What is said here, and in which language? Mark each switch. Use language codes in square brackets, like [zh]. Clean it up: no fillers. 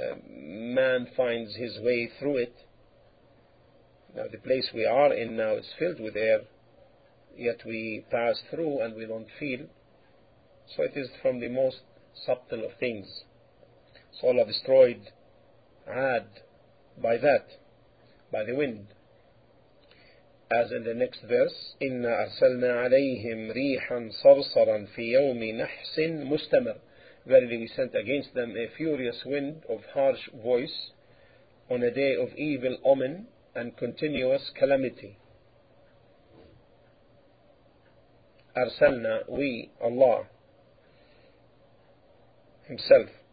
[en] Man finds his way through it. Now the place we are in now is filled with air, yet we pass through and we don't feel. So it is from the most subtle of things. So Allah destroyed Ad by that, by the wind. As in the next verse, [ar] إِنَّا أَرْسَلْنَا عَلَيْهِمْ رِيحًا صَرْصَرًا فِي يَوْمِ نَحْسٍ مُسْتَمَرٍ. [en] Verily we sent against them a furious wind of harsh voice on a day of evil omen and continuous calamity. أَرْسَلْنَا, we, Allah Himself.